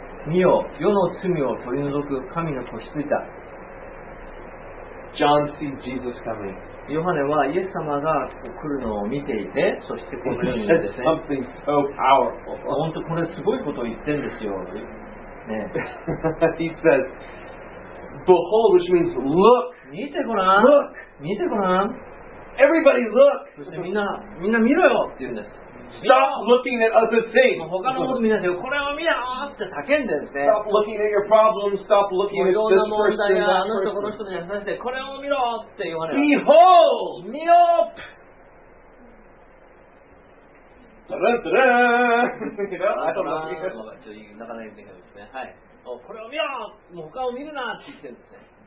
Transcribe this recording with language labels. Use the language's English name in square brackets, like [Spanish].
[Japanese] 見よ、世の罪を取り除く神の子羊だ。 [English] John sees Jesus coming. [Japanese] ヨハネはイエス様が来るのを見ていて、そしてこのように言ってですね。 [English] Something so powerful. [Japanese] 本当これすごいことを言ってんですよ。ね。 [English] He says, "Behold," which means look. [Japanese] 見てごらん。 [English] Look. [Japanese] 見てごらん。 [English] Everybody look. [Japanese] そしてみんな見ろよって言うんです。 [English] Stop looking at other things. [Japanese] 他のもの見ないで、これを見ろって叫んでるんですね。 [English] Stop looking at your problems. Stop looking at this person. [Japanese] いろんな問題があの人この人に話して、これを見ろって言われる。 [English] Behold! [Japanese] 見ろ。ダラダラ。なかなか見えないですね。はい。これを見ろ。もう他を見るなって言ってるんですね。